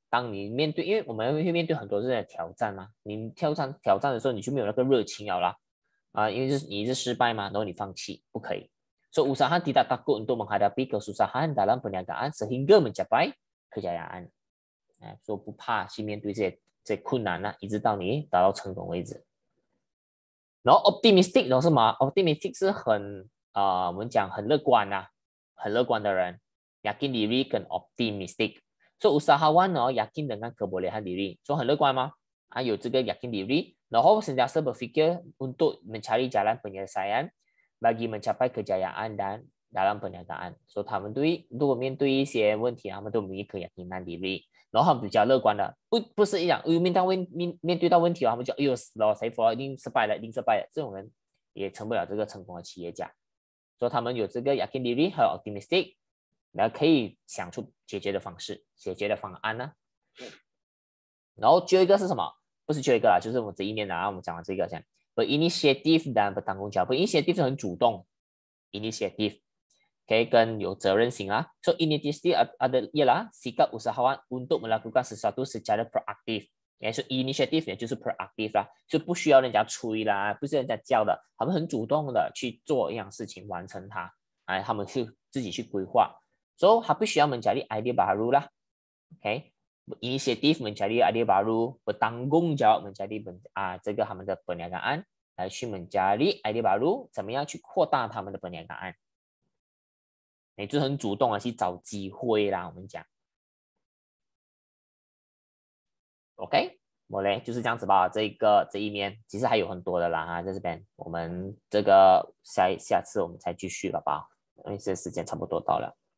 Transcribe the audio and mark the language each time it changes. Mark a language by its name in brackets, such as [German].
[Chinese] 当你面对，因为我们会面对很多这些挑战嘛，你挑战的时候，你就没有那个热情了啦，啊，因为就是你是失败嘛，然后你放弃，不可以。 [Malay] 所以usaha tidak takut untuk menghadapi kesusahan dalam perniagaan sehingga mencapai kejayaan。 [Chinese] 哎，说不怕去面对这些困难呢、啊，一直到你达到成功为止。然后 optimistic， 然后是嘛 ？optimistic 是很啊、我们讲很乐观呐、啊，很乐观的人 ， [Malay] yakin diri [Chinese] 跟 optimistic。所以usahawan 哦 ， [Malay] yakin dengan kebolehan diri， [Chinese] 所以很乐观吗？ [Malay] 啊， [Chinese] 有这个 [Malay] yakin diri， 然后sentiasa berfikir untuk mencari jalan penyelesaian bagi mencapai kejayaan dan dalam perniagaan。 [Chinese] 所以他们对如果面对一些问题，他们都有一颗 [Malay] yakin diri， [Chinese] 然后他们比较乐观的，不是一样，面对到问题了，他们就哎呦死了，谁说一定失败了，一定失败了，这种人也成不了这个成功的企业家。所以他们有这个 [Malay] yakin diri [Chinese] 和 optimistic。那可以想出解决的方式，解决的方案呢？然后最后一个是什么？不是最后一个啦，就是我们这一面啦。我们讲完这个先。 [Malay] But initiative dan bertanggung jawab. [Chinese] But initiative 是很主动 ，initiative 可以跟有责任心啦。 [Malay] So initiative ada ialah sikap usahawan untuk melakukan sesuatu secara proaktif. [Chinese] 也就是 initiative 也就是 proactive 啦，就不需要人家催啦，不是人家叫的，他们很主动的去做一样事情，完成它。哎，他们去自己去规划。 So, 他必须要 [Malay] mencari idea baru lah. Okay. Initiative mencari idea baru, bertanggung jawab mencari [Chinese] 这个他们的 [Malay] perniagaan, [Chinese] 来去 [Malay] mencari idea baru, [Chinese] 怎么样去扩大他们的 [Malay] perniagaan. [Chinese] 你就很主动的去找机会啦，我们讲。 Okay, 我嘞，就是这样子吧，这一面，其实还有很多的啦，在这边，我们这个下次我们再继续了吧，因为这时间差不多到了。